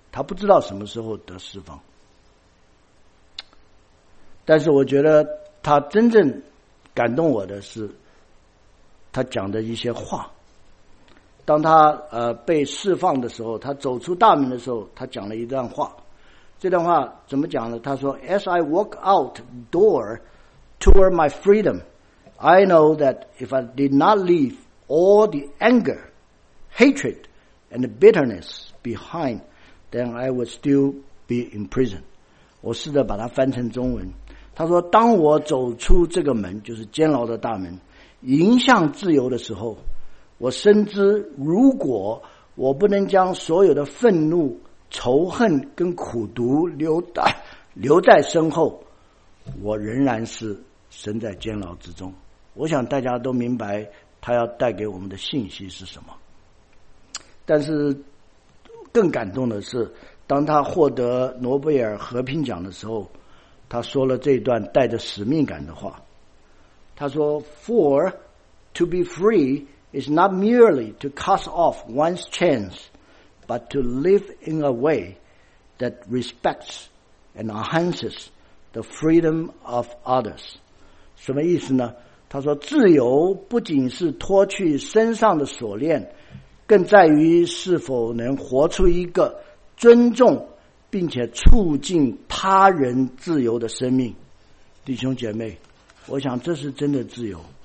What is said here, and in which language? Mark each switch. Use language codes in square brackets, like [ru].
[zh] 他不知道什么时候得释放，但是我觉得他真正感动我的是他讲的一些话。当他被释放的时候，他走出大门的时候，他讲了一段话。这段话怎么讲呢？他说 [en] As I walk out door toward my freedom, I know that if I did not leave all the anger, hatred and bitterness behind,Then I would still be in prison. [zh] 我试着把它翻成中文。他说，当我走出这个门，就是监牢的大门，迎向自由的时候，我深知如果我不能将所有的愤怒、仇恨跟苦毒留在身后，我仍然是身在监牢之中。我想大家都明白他要带给我们的信息是什么。但是更感动的是，当他获得诺贝尔和平奖的时候，他说了这段带着使命感的话。他说 [en] For to be free is not merely to cast off one's chains, but to live in a way that respects and enhances the freedom of others. [zh] 什么意思呢？他说自由不仅是脱去身上的锁链，更在于是否能活出一个尊重并且促进他人自由的生命。弟兄姐妹，我想这是真的自由。